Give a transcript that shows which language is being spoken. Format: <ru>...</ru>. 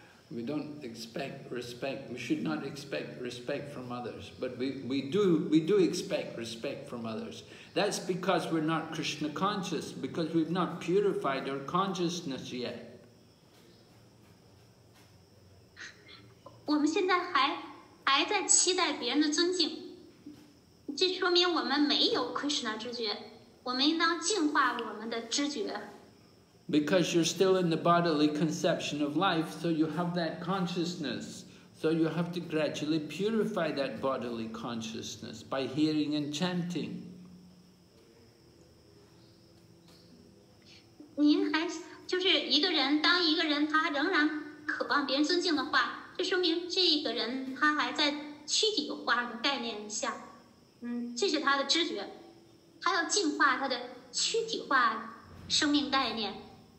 <en>We don't expect respect. We should not expect respect from others, but we do expect respect from others. That's because we're not Krishna conscious, because we've not purified our consciousness yet.</en> <zh>我们现在还在期待别人的尊敬，这说明我们没有 Krishna 知觉，我们应当净化我们的知觉。</zh> <en>Because you're still in the bodily conception of life, so you have that consciousness. So you have to gradually purify that bodily consciousness by hearing and chanting.</en> <zh>您还就是一个人，当一个人他仍然渴望别人尊敬的话，这说明这个人他还在躯体化的概念下，这是他的知觉，他要净化他的躯体化生命概念。</zh>